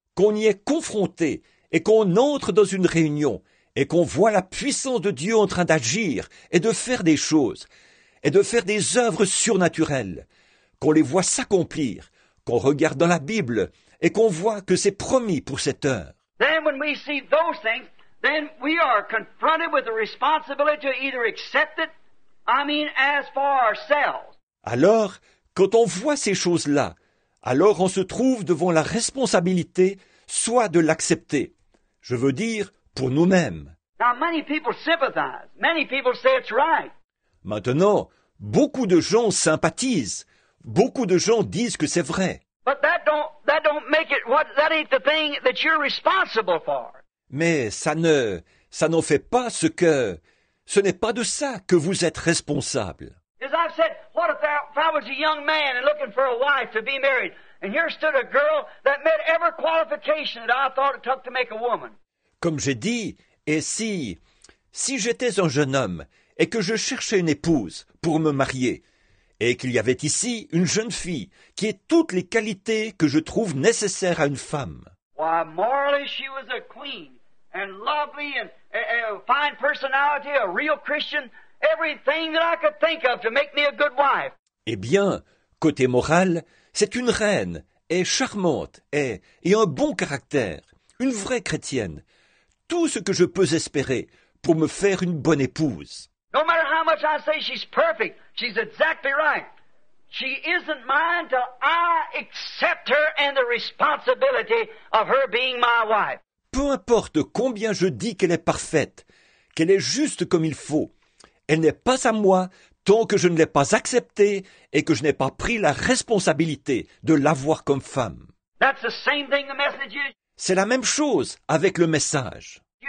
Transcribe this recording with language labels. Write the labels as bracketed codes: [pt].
[fr] Qu'on y est confronté et qu'on entre dans une réunion et qu'on voit la puissance de Dieu en train d'agir et de faire des choses et de faire des œuvres surnaturelles, qu'on les voit s'accomplir, qu'on regarde dans la Bible et qu'on voit que c'est promis pour cette heure. [en] Then when we see those things, then we are confronted with the responsibility to either accept it, I mean as for ourselves. [fr] Alors, quand on voit ces choses-là, alors on se trouve devant la responsabilité soit de l'accepter, je veux dire pour nous-mêmes. [en] Now, many people sympathize. Many people say it's right. [fr] Maintenant, beaucoup de gens sympathisent. Beaucoup de gens disent que c'est vrai. [en] But that don't make it what that ain't the thing that you're responsible for. [fr] Mais ça n'en fait pas ce n'est pas de ça que vous êtes responsable. [en] As I've said, what if I was a young man and looking for a wife to be married, and here stood a girl that met every qualification that I thought it took to make a woman. [fr] Comme j'ai dit, et si j'étais un jeune homme et que je cherchais une épouse pour me marier, et qu'il y avait ici une jeune fille qui ait toutes les qualités que je trouve nécessaires à une femme. [en] Why, morally, she was a queen, and lovely, and a fine personality, a real Christian, everything that I could think of to make me a good wife. [fr] Eh bien, côté moral, c'est une reine, et charmante, et un bon caractère, une vraie chrétienne. Tout ce que je peux espérer pour me faire une bonne épouse. [en] No matter how much I say she's perfect, she's exactly right. She isn't mine till I accept her and the responsibility of her being my wife. [fr] Peu importe combien je dis qu'elle est parfaite, qu'elle est juste comme il faut, elle n'est pas à moi tant que je ne l'ai pas acceptée et que je n'ai pas pris la responsabilité de l'avoir comme femme. [en] That's the same thing the message is. [fr] C'est la même chose avec le message.